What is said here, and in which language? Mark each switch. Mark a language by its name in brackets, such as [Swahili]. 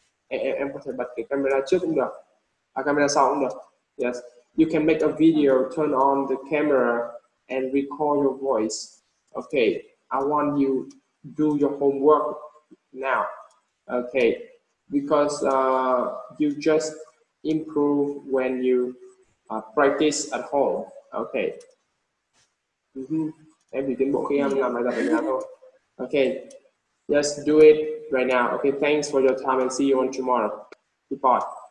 [Vietnamese] Em có thể bật cái camera trước cũng được, camera sau cũng được. [English] Yes. You can make a video, turn on the camera, and record your voice. Okay, I want you to do your homework now. Okay, because you just improve when you practice at home. Okay. [Vietnamese] Em chỉ tiến bộ khi em làm bài tập ở nhà thôi. [English] Okay, just do it right now. Okay, thanks for your time and see you on tomorrow. Goodbye.